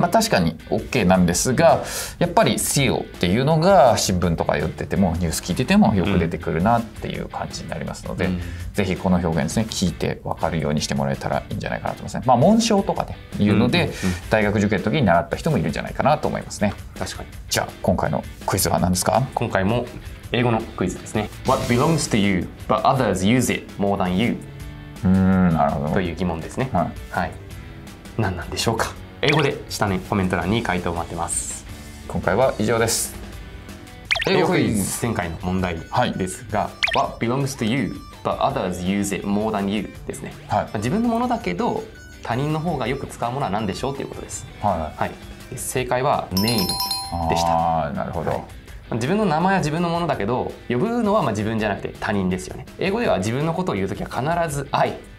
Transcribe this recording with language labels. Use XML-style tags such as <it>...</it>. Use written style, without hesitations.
<ja>まあ、確かに OK なんですが、やっぱりシールっていうのが新聞とか言っててもニュース聞いててもよく出てくるなっていう感じになりますので、うん、ぜひこの表現ですね、聞いて分かるようにしてもらえたらいいんじゃないかなと思いますね。まあ、紋章とかでいうので、うんうんうん、大学受験の時に習った人もいるんじゃないかなと思いますね。確かに。じゃあ今回のクイズは何ですか。今回も英語のクイズですね。</ja> <en>What belongs to you but others use it more than you、</en> <ja>なるほど、という疑問ですね。はい、はい、何なんでしょうか。英語で下のコメント欄に回答を待ってます。今回は以上です。英語クイズ。前回の問題ですが、はい、</ja> <en>What belongs to you but others use it more than you</en> <ja>ですね。はい、まあ、自分のものだけど他人の方がよく使うものは何でしょうということです。はい、はい、正解は name でした。あ、なるほど。はい、自分の名前は自分のものだけど、呼ぶのはまあ自分じゃなくて他人ですよね。英語では自分のことを言うときは必ず I</ja>